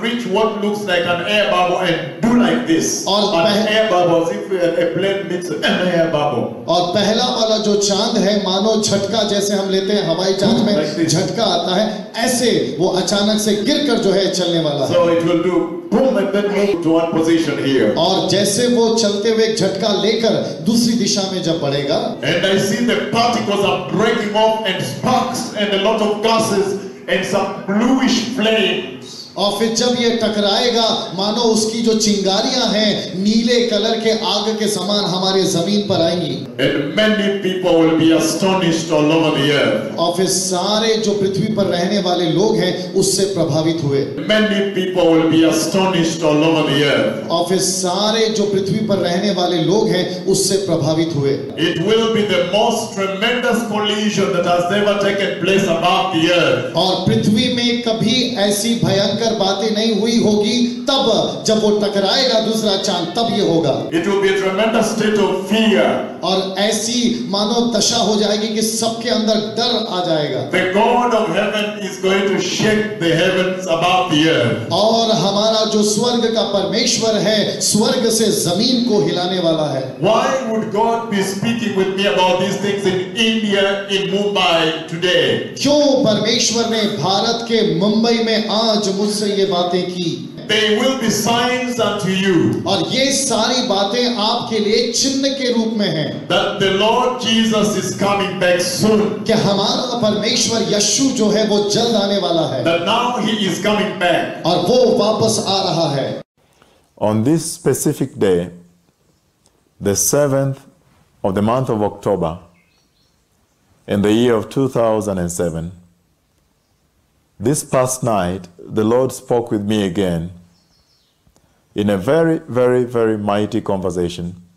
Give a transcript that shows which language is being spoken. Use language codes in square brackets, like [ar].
[en] What looks like an air bubble and do like this. [hi] और [en] air bubbles, if a plane meets an air bubble. [hi] और पहला वाला जो चांद है मानो झटका जैसे हम लेते हैं हवाई जहाज में झटका आता है ऐसे वो अचानक से गिरकर जो है चलने वाला है. [en] So it will do boom and then move to one position here. [hi] और जैसे वो चलते हुए झटका लेकर दूसरी दिशा में जब बढ़ेगा. [en] And I see the particles are breaking off and sparks and a lot of gases and some bluish flames. [hi] और फिर जब ये टकराएगा मानो उसकी जो चिंगारियां हैं नीले कलर के आग के समान हमारे जमीन पर आएंगी. [en] And many people will be astonished all over the earth. [hi] और फिर सारे जो पृथ्वी पर रहने वाले लोग हैं उससे प्रभावित हुए. [en] Many people will be astonished all over the earth. [hi] और फिर सारे जो पृथ्वी पर रहने वाले लोग हैं उससे प्रभावित हुए. [en] It will be the most tremendous collision that has ever taken place above the earth. [hi] और पृथ्वी में कभी ऐसी भयंकर अगर बातें नहीं हुई होगी तब जब वो टकराएगा दूसरा चांद तब ये होगा. [en] It will be a tremendous state of fear. [hi] और ऐसी मानो दशा हो जाएगी कि सबके अंदर डर आ जाएगा. [en] The God of heaven is going to shake the heavens above the earth. [hi] और हमारा जो स्वर्ग का परमेश्वर है स्वर्ग से जमीन को हिलाने वाला है. [en] Why would God be speaking with me about these things in India, in Mumbai today? [hi] क्यों परमेश्वर ने भारत के मुंबई में आज मुझसे ये बातें की? [en] They will be signs unto you. [hi] और ये सारी बातें आपके लिए चिन्ह के रूप में हैं. [en] That the Lord Jesus is coming back soon. [hi] कि हमारा परमेश्वर यीशु जो है वो जल्द आने वाला है. [en] That now he is coming back. [hi] और वो वापस आ रहा है. [en] On this specific day, the 7th of the month of October, in the year of 2007. This past night, the Lord spoke with me again in a very, very, very mighty conversation.